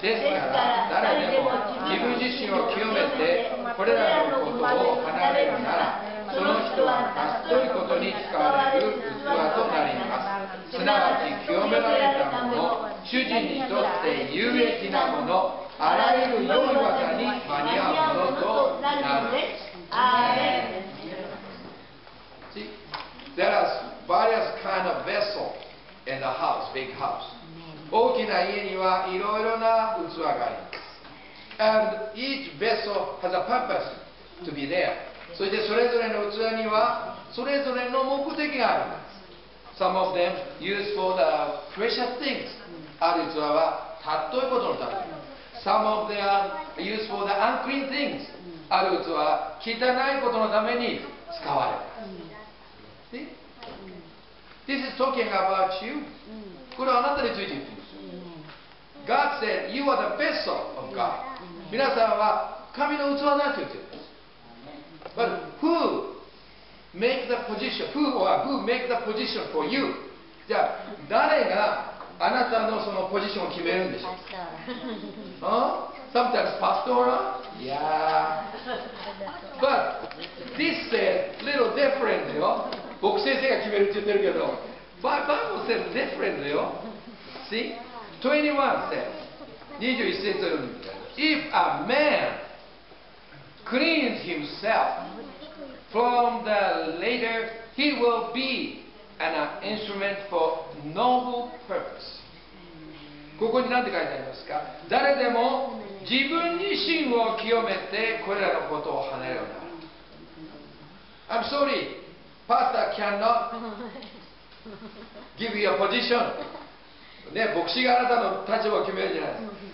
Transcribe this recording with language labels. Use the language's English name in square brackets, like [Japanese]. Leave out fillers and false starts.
[Japanese] ですから、誰でも自分自身を清めて、これらのことを離れるなら、その人は尊いことに使われる器となります。すなわち清められたもの、主人にとって有益なもの、あらゆる良い技に間に合うものとなるのです。アーメン。 [English] See, there are various kind of vessels in the house, big house. [Japanese] 大きな家にはいろいろな器があります。 [English] And each vessel has a purpose to be there. [Japanese] そしてそれぞれの器にはそれぞれの目的があります。 [English] Some of them used for the precious things. [Japanese] ある器は尊いことのため、 [English] Some of them are used for the unclean things. [Japanese] ある器は汚いことのために使われます。 [English] See? This is talking about you. [Japanese] これはあなたについて言っています。 [English] God said, you are the vessel of God. [Japanese] 皆さんは神の器だと言っています。 [English] But who make the position, who or who make the position for you? [Japanese] じゃあ誰があなたのそのポジションを決めるんでしょう。 [English] Sometimes pastor? Yeah. But this is a little different, よ。 [Japanese] 牧師先生が決めるって言ってるけど、 [English] Bible says different, [Japanese] よ。 [English] See? 21 says, [Japanese] 21節読んでみて。 [English] If a man cleans himself from the latter, he will be an instrument for noble purpose. [Japanese] ここに何て書いてありますか。誰でも自分自身を清めてこれらのことを離れるなら。 [English] I'm sorry, Pastor cannot give you a position. [Japanese] ね、牧師があなたの立場を決めるじゃないですか。